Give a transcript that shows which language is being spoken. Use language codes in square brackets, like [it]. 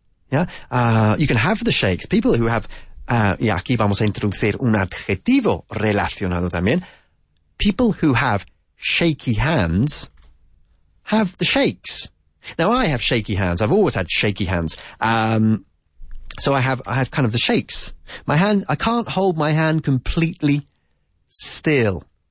[en] Yeah, you can have the shakes. People who have, [es] y aquí vamos a introducir un adjetivo relacionado también. [en] People who have shaky hands have the shakes. Now I have shaky hands. I've always had shaky hands. So I have kind of the shakes. My hand, I can't hold my hand completely still.